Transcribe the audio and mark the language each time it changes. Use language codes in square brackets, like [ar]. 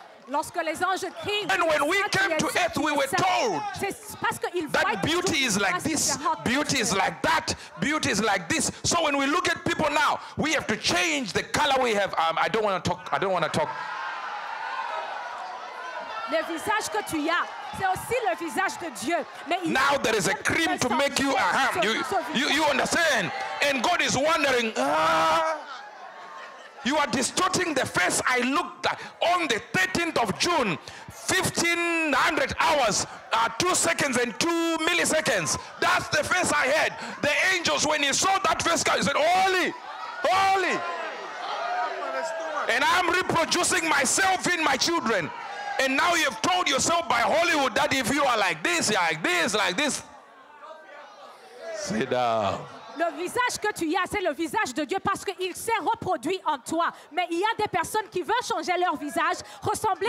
[fr] Lorsque les anges crient, [en] and when we came to earth, we were told that beauty is like this, beauty is like that, beauty is like this. So when we look at people now, we have to change the color we have. I don't want to talk. [fr] Le visage que tu as, c'est aussi le visage de Dieu. [en] Now there is a cream to make you a ham. You understand? And God is wondering, you are distorting the face I looked at on the 13th of June, 1500 hours, 2 seconds and 2 milliseconds. That's the face I had. The angels, when he saw that face, he said, holy, holy. And I'm reproducing myself in my children. And now you've told yourself by Hollywood that if you are like this, you're like this, like this. Sit down. [fr] Le visage que tu as, c'est le visage de Dieu parce qu'il s'est reproduit en toi. Mais il y a des personnes qui veulent changer leur visage, ressembler